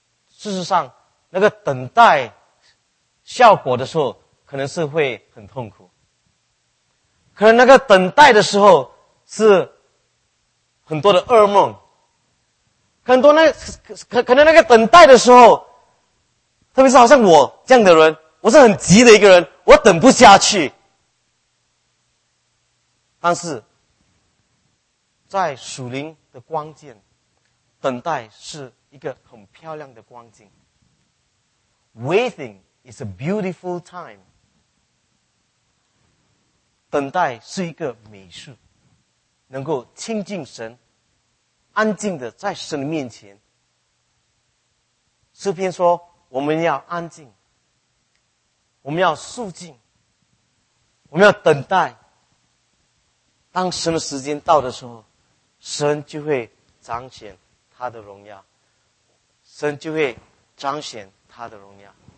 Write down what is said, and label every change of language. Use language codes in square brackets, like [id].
[zh] 事实上那个等待效果的时候可能是会很痛苦，可能那个等待的时候是很多的噩梦，很多那可能那个等待的时候，特别是好像我这样的人，我是很急的一个人，我等不下去。但是在属灵的光景，等待是一个很漂亮的光景。 [en] Waiting is a beautiful time. [zh] 等待是一个美术，能够亲近神，安静的在神的面前。诗篇说我们要安静，我们要肃静，我们要等待，当神的时间到的时候，神就会彰显他的荣耀，神就会彰显他的荣耀。